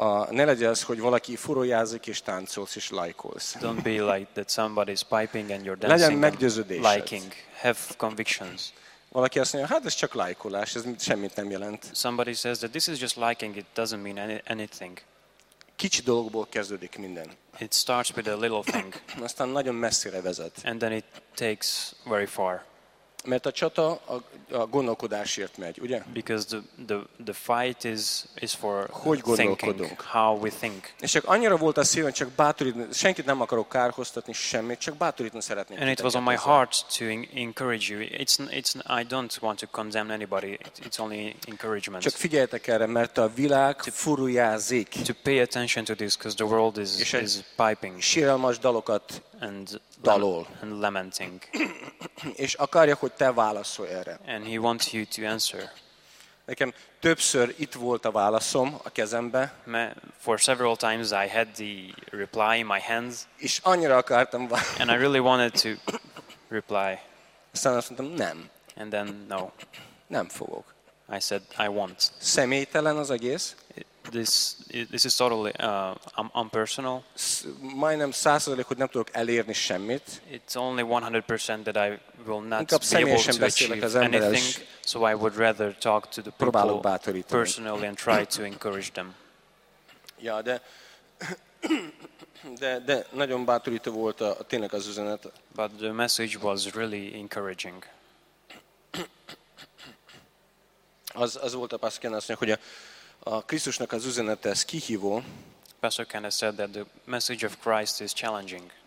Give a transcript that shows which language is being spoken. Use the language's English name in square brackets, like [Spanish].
[Hungarian] Ne legyen az, hogy valaki furuljázik és táncolsz és lájkolsz. [English] Don't be like that somebody is piping and you're dancing. [Hungarian] Legyen meggyőződésed. [English] Liking. Have convictions. [Hungarian] Valaki azt mondja, hát ez csak lájkolás, ez semmit nem jelent. [English] Somebody says that this is just liking, it doesn't mean anything. [Hungarian] Kicsi dologból kezdődik minden. [English] It starts with a little thing. [Hungarian] Aztán nagyon messzire vezet. [English] And then it takes very far. [Hungarian] Mert a csata a gondolkodásért megy, ugye? [English] Because the fight is for [Hungarian] hogy gondolkodunk. [English] How we think. [Hungarian] És csak annyira volt a szívem, csak bátorítani, senkit nem akarok kárhoztatni, semmit, csak bátorítani szeretném. [English] And it was on my heart to encourage you. It's I don't want to condemn anybody. It's only encouragement. [Hungarian] Csak figyeljetek erre, mert a világ furuljázik. [English] To pay attention to this, because the world is piping. [Hungarian] Sírelmas dalokat dalol. [English] And lamenting. [Hungarian] És akarja, hogy te válaszolj erre. [English] And he wants you to answer. [Hungarian] Nekem többször itt volt a válaszom a kezembe. [English] For several times I had the reply in my hands. [Hungarian] És annyira akartam válaszolni. [English] And I really wanted to reply. [Hungarian] Aztán azt mondtam, nem. [English] And then no. [Hungarian] Nem fogok. [English] I said I won't. [Hungarian] Személytelen az egész. [English] This is totally unpersonal. [Hungarian] Majdnem 100%, hogy nem tudok elérni semmit. [English] It's only 100% that I will not be able to achieve anything. So I would rather talk to the people personally and try to encourage them. [Hungarian] Ja, de nagyon bátorító volt a tényleg az üzenet. [English] But the message was really encouraging. [Hungarian] Az volt a pászken, azt mondja, hogy a Krisztusnak az üzenete ez kihívó. [English] Pastor Kenneth said that the message of Christ is challenging.